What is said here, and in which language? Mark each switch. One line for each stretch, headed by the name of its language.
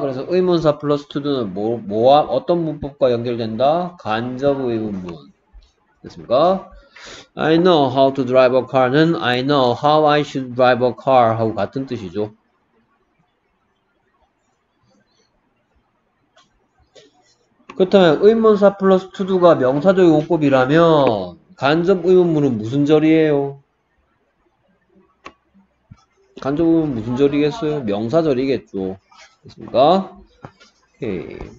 Korean: 그래서 의문사 플러스 투두는 뭐와 어떤 문법과 연결된다? 간접 의문문. 됐습니까?
English: I know how to drive a car는 I know how I should drive a car
Korean: 하고 같은 뜻이죠. 그렇다면 의문사 플러스 투두가 명사적 용법이라면 간접 의문문은 무슨 절이에요? 간접 의문문 무슨 절이겠어요? 명사절이겠죠. 됐습니까? 오케이.